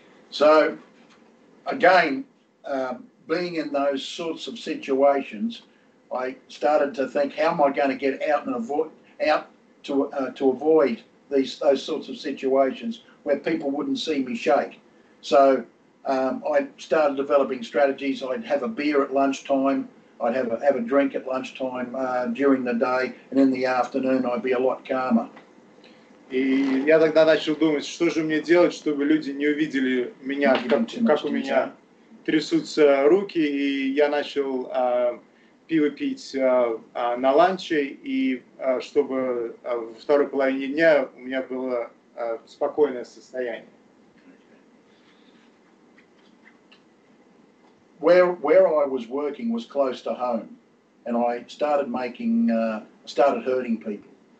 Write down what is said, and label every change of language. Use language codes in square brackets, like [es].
[en] So, again, being in those sorts of situations, I started to think, how am I going to get out and avoid those sorts of situations where people wouldn't see me shake? So, I started developing strategies. I'd have a beer at lunchtime. I'd have a drink at lunchtime during the day, and in the afternoon, I'd be a lot calmer. [ru] И я тогда начал думать, что же мне делать, чтобы люди не увидели меня, как у меня трясутся руки. И я начал пиво пить на ланче, и чтобы во второй половине дня у меня было спокойное состояние. [en] Where I was working was close to home, and I started hurting people.